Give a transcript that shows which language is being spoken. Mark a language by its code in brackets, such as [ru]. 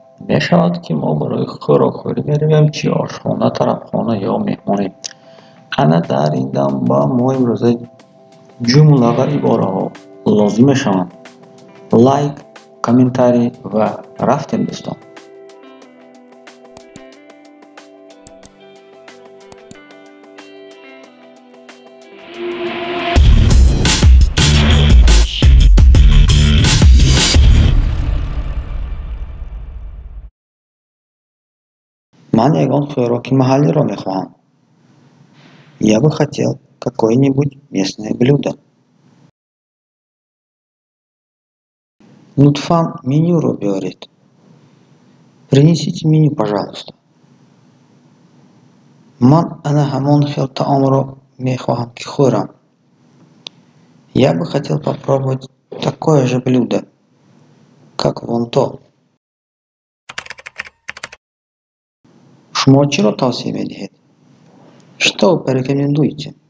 [tg] Мешават ки мо барои хӯро хӯрӣ меравем, чи ошхона, тарабхона ё меҳмонӣ. Ана дар ин дам ба мо имрӯза ҷумла ва ибораҳо лозим мешаванд. Лайк, комментарий ва рафтем, дустон. Ман ягон хӯроки маҳаллиро мехоҳам. [ru] Я бы хотел какое-нибудь местное блюдо. [tg] Лутфан менюро биёред. [ru] Принесите меню, пожалуйста. [tg] Ман ана ҳамон хел таомро мехоҳам, ки хӯрам. [ru] Я бы хотел попробовать такое же блюдо, как вон то. [tg] Шумо чиро тавсия медиҳед? [ru] Што порекомендуете?